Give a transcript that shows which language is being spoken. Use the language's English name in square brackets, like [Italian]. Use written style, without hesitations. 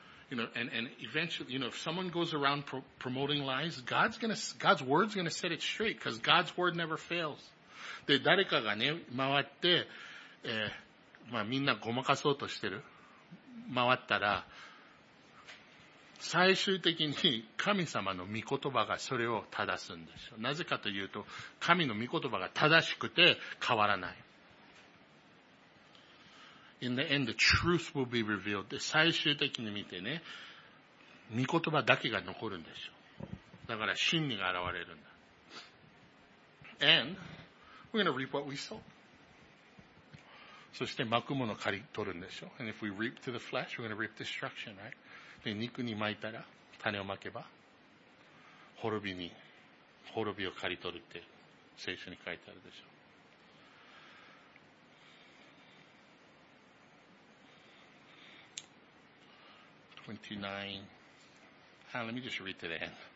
[English] You know, and eventually, you know, if someone goes around promoting lies, God's word's gonna set it straight, because God's word never fails. [Japanese] で、誰かがね、回って、まあ、みんなごまかそうとしてる。回ったら、最終的に神様の御言葉がそれを正すんでしょ。なぜかというと、神の御言葉が正しくて変わらない。 [English] In the end, the truth will be revealed. [Japanese] で、最終的に見てね、御言葉だけが残るんでしょう。だから真理が現れるんだ。 [English] And, we're gonna reap what we sow. [Japanese] そして巻くものを刈り取るんでしょう。 [English] And if we reap to the flesh, we're gonna reap destruction, right? [Japanese] で、肉に巻いたら、種を巻けば、滅びを刈り取るって聖書に書いてあるでしょう。 [English] 29. Let me just read to the end.